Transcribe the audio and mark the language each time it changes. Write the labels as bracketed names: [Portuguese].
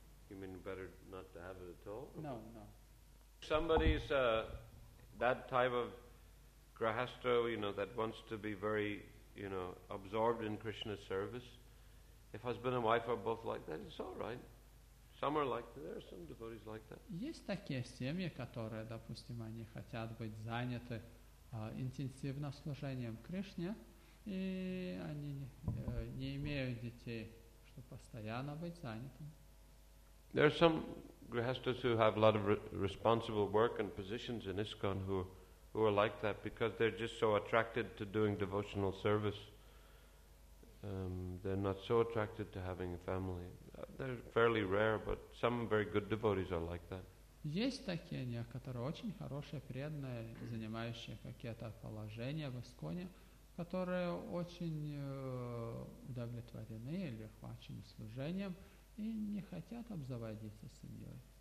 [English] You mean better not to have it at all? No. Somebody's that type of grahastha, you know, that wants to be very, you know, absorbed in Krishna's service. If husband and wife are both like that, it's all right. Some are like that. There are some devotees like that. [Russian] Есть такие семьи, которые, допустим, они хотят быть заняты интенсивно служением Кришне, и они не имеют детей, чтобы постоянно быть занятым. [English] There are some grihasthas who have a lot of responsible work and positions in ISKCON who are like that because they're just so attracted to doing devotional service. They're not so attracted to having a family. They're fairly rare, but some very good devotees are like that. [Russian] Есть такие некоторые очень хорошие преданные, занимающие какие-то положения в ИСККОНе, которые очень удовлетворены или охвачены служением и не хотят обзаводиться семьей.